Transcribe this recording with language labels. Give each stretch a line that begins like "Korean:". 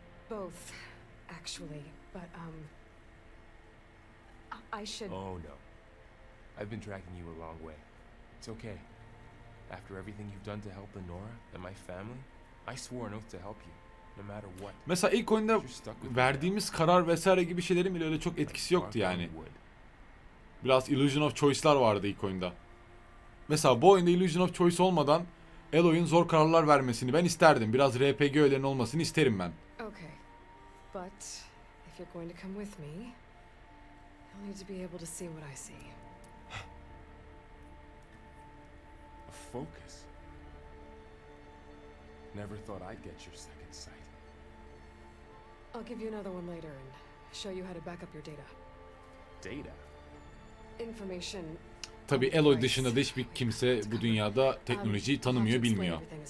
English: Both actually, but I should. Oh no. I've been dragging you a long way. It's okay. After everything you've done to help Lenora and my family, I swore an oath to help you, no matter what.
Turkish: Mesela ilk oyunda verdiğimiz karar vesaire gibi şeylerin bile öyle çok etkisi yoktu yani. Biraz Illusion of Choice'lar vardı ilk oyunda. Mesela bu oyunda Illusion of Choice olmadan Eloy'un zor kararlar vermesini ben isterdim. Biraz RPG öğelerinin olmasını isterim ben.
English: Okay. But if you're going to come with me, you'll need to be able to see what I see. A focus. Never thought I'd get your second sight. I'll give you another one later and show you how to back up your data. Data. Information.
Turkish: Tabii Eloy dışında da hiçbir kimse bu dünyada teknolojiyi tanımıyor, bilmiyor.